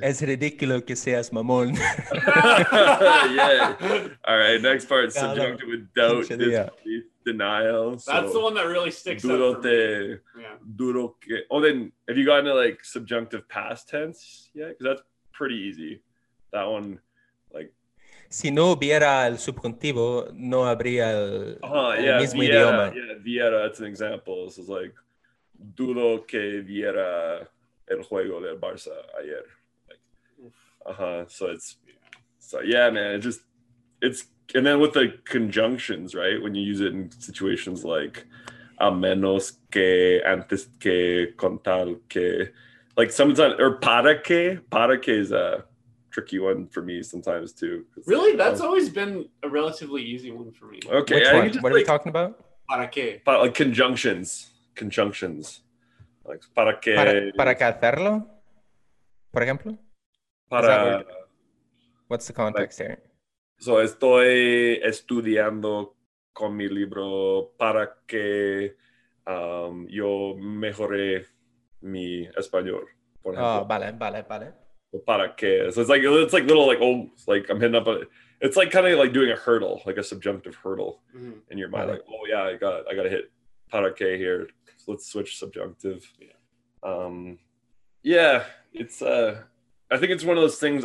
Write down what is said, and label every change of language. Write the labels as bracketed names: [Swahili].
[Spanish] Es ridículo que seas mamón. [English] Yeah. All right. Next part, subjunctive with doubt, disbelief, denial. That's the one that really sticks out. [Spanish] Duro que. [English] Oh, then have you gotten to like subjunctive past tense yet? Because that's pretty easy. That one, like. [Spanish] Si no hubiera el subjuntivo, no habría el mismo idioma. [English] Yeah, [Spanish] viera, [English] that's an example. So it's like, [Spanish] dudo que viera el juego del Barça ayer. [English] Like, and then with the conjunctions, right? When you use it in situations like, [Spanish] a menos que, antes que, con tal que, [English] like sometimes, or [Spanish] para que [English] is a tricky one for me sometimes too. Really? That's always been a relatively easy one for me. Okay. Which one? What are we talking about? [Spanish] Para qué? [English] Like conjunctions. Conjunctions. Like [Spanish] para qué. Para qué hacerlo? Por ejemplo? Para. [English] What's the context here? [Spanish] So estoy estudiando con mi libro para que yo mejore mi español. Por ejemplo. Oh, vale. Para que. [English] So it's like little like, oh, it's like I'm hitting up a, It's like kind of like doing a hurdle, like a subjunctive hurdle in your mind. Like, oh yeah, I got to hit parake here. So let's switch subjunctive. I think it's one of those things.